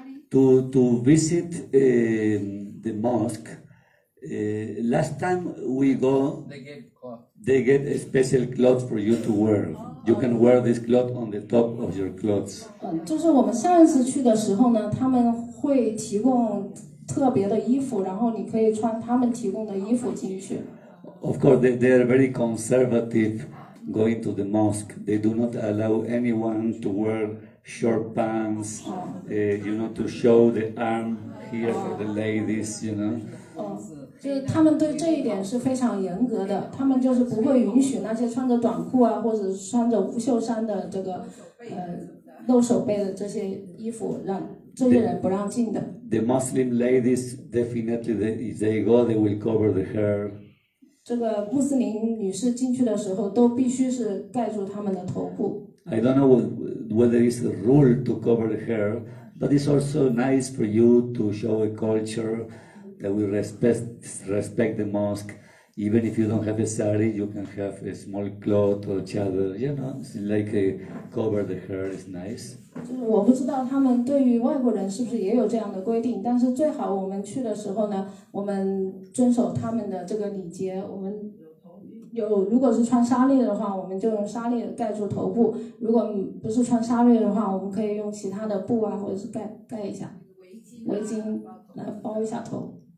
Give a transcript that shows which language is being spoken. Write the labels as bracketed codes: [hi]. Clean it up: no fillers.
[en] To visit the mosque, last time we go, they get a special cloth for you to wear. You can wear this cloth on the top of your clothes. [zh] 就是我们上一次去的时候呢，他们会提供特别的衣服，然后你可以穿他们提供的衣服进去。 [en] Of course, they are very conservative going to the mosque. They do not allow anyone to wear short pants, you know, to show the arm here for the ladies, you know. [zh] 就是他们对这一点是非常严格的，他们就是不会允许那些穿着短裤啊，或者穿着无袖衫的这个，露手背的这些衣服，让这些人不让进的。 [en] The Muslim ladies definitely, if they go, they will cover the hair. [zh] 这个穆斯林女士进去的时候都必须是盖住他们的头部。 [en] I don't know whether it's a rule to cover the hair, but it's also nice for you to show a culture. That we respect the mosque, even if you don't have a sari, you can have a small cloth or chadar, you know, it's like a cover the hair is nice. [zh] 就是我不知道他们对于外国人是不是也有这样的规定，但是最好我们去的时候呢，我们遵守他们的这个礼节，我们有如果是穿纱丽的话，我们就用纱丽盖住头部，如果不是穿纱丽的话，我们可以用其他的布啊，或者是盖一下围巾来包一下头。